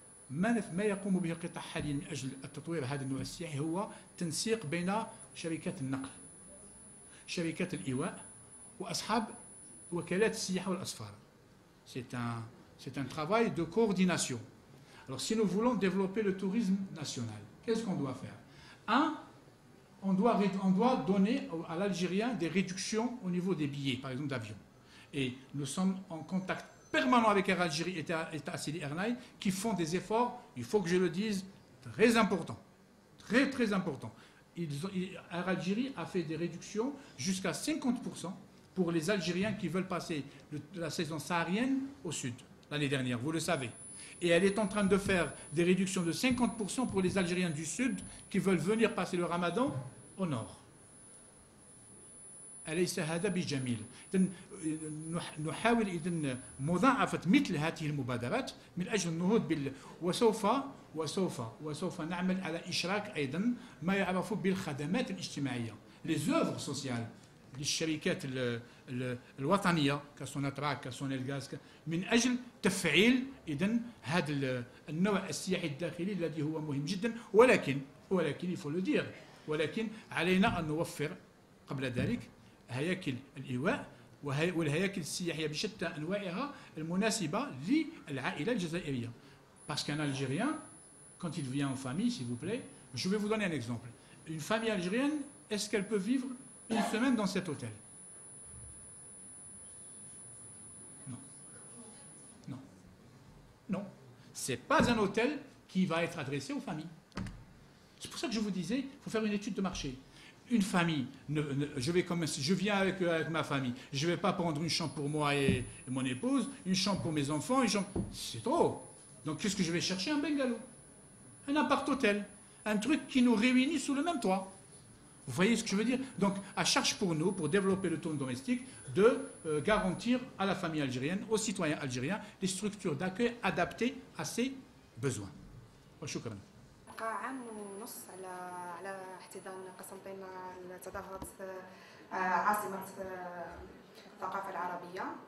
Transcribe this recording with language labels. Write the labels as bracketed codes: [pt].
[ar] ما يقوم به القطاع حاليا من أجل التطوير هذا النوع السياحي هو تنسيق بين شركات النقل، شركات الإيواء وأصحاب وكالات السياحة والأسفار. [fr] C'est un travail de coordination. Alors, si nous voulons développer le tourisme national, qu'est-ce qu'on doit faire? Un, on doit donner à l'Algérien des réductions au niveau des billets, par exemple d'avion. Et nous sommes en contact permanent avec Air Algérie et Etihad Airlines qui font des efforts, il faut que je le dise, très importants. Très, très importants. Air Algérie a fait des réductions jusqu'à 50% pour les Algériens qui veulent passer la saison saharienne au sud l'année dernière, vous le savez. Et elle est en train de faire des réductions de 50% pour les Algériens du sud qui veulent venir passer le ramadan au nord. [ar] أليس هذا بجميل؟ إذن نحاول إذن مضاعفة مثل هذه المبادرات من أجل النهوض بال وسوف وسوف وسوف نعمل على إشراك أيضا ما يعرف بالخدمات الاجتماعية [fr] les œuvres sociales [ar] للشركات الوطنية كسوناتراك كسونيلغاز من أجل تفعيل إذن هذا النوع السياحي الداخلي الذي هو مهم جدا ولكن ولكن [fr] il faut le dire [ar] ولكن علينا أن نوفر قبل ذلك هياكل الإيواء والهياكل السياحية بشتى أنواعها المناسبة للعائلة الجزائرية. [fr] Parce qu'un Algérien, quand il vient en famille, s'il vous plaît, je vais vous donner un exemple. Une famille algérienne, est-ce qu'elle peut vivre une semaine dans cet hôtel? Non. Non. Non. C'est pas un hôtel qui va être adressé aux familles. C'est pour ça que je vous disais, il faut faire une étude de marché. Une famille, je viens avec ma famille, je ne vais pas prendre une chambre pour moi et mon épouse, une chambre pour mes enfants, une chambre, c'est trop. Donc qu'est-ce que je vais chercher? Un bungalow, un appart-hôtel, un truc qui nous réunit sous le même toit. Vous voyez ce que je veux dire? Donc à charge pour nous, pour développer le tourisme domestique, de garantir à la famille algérienne, aux citoyens algériens, des structures d'accueil adaptées à ses besoins. Merci. [ar] بقى عام ونص على احتضان قسنطين لتظاهرات عاصمة الثقافة العربية.